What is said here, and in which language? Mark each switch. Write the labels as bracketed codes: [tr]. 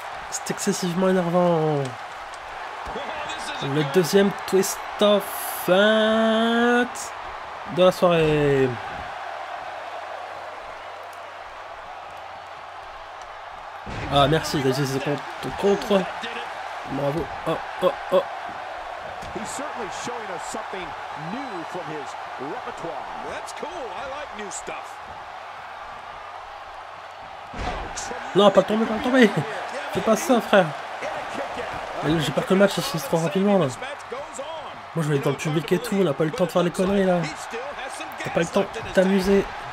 [fr] C'est excessivement énervant. Le deuxième twist of fate de la soirée. Ah merci, t'as utilisé ton contre. Bravo. Oh oh oh. [en] He's certainly showing us something new from his repertoire. That's cool. I like new stuff. [fr] Non, pas tomber, pas tomber. Fais pas ça, frère. J'ai peur que le match se finisse trop rapidement là. Moi je vais être dans le public et tout, on n'a pas le temps de faire les conneries là. T'as pas le temps de t'amuser.